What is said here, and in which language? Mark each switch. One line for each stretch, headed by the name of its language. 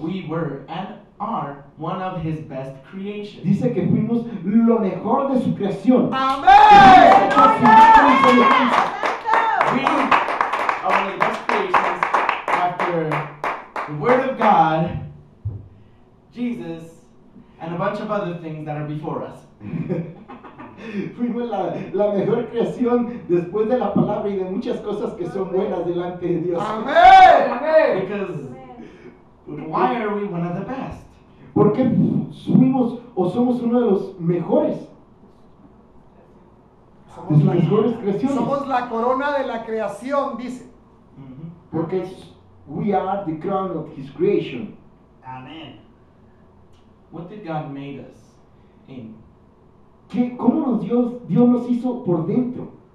English: We were and are one of his best creations.
Spanish: Dice que fuimos lo mejor de su creación. ¡Amén!
English: We are one of the best creations after the word of God, Jesus, and a bunch of other things that are before us.
Spanish: Fuimos la mejor creación después de la palabra y de muchas cosas que son buenas delante de Dios. ¡Amén!
English: Because why are we one of the best?
Spanish: ¿Por qué fuimos o somos uno de los mejores? Somos las mejores creaciones. Somos la corona de la creación, dice. Mm-hmm. Porque
English: we are the crown of his creation. Amen. What did God make us in?
Spanish: ¿Qué, cómo nos dio, Dios nos hizo por dentro?